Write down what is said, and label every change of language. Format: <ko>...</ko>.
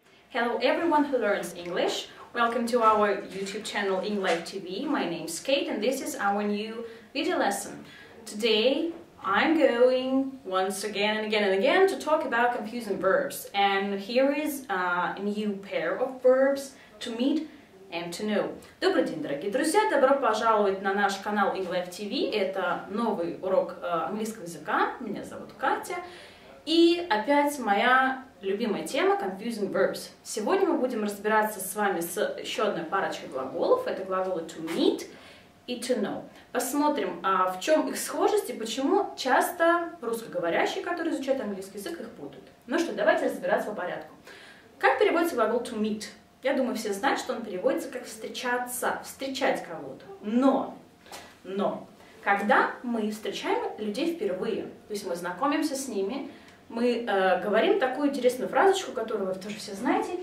<en>Hello everyone who learns English. Welcome to our YouTube channel English TV. My name is Kate and this is our new video lesson. Today I'm going once again and again and again to talk about confusing verbs. And here is a new pair of verbs to meet and to know.</en> <ru>Добрый день, дорогие друзья! Добро пожаловать на наш канал English TV. Это новый урок английского языка. Меня зовут Катя. И опять моя любимая тема –</ru> <en>confusing verbs.</en> <ru>Сегодня мы будем разбираться с вами с еще одной парочкой глаголов. Это глаголы to meet и to know. Посмотрим, в чем их схожесть и почему часто русскоговорящие, которые изучают английский язык, их путают. Ну что, давайте разбираться по порядку. Как переводится глагол to meet? Я думаю, все знают, что он переводится как встречаться, встречать кого-то. Но, когда мы встречаем людей впервые, то есть мы знакомимся с ними, мы говорим такую интересную фразочку, которую вы тоже все знаете.</ru>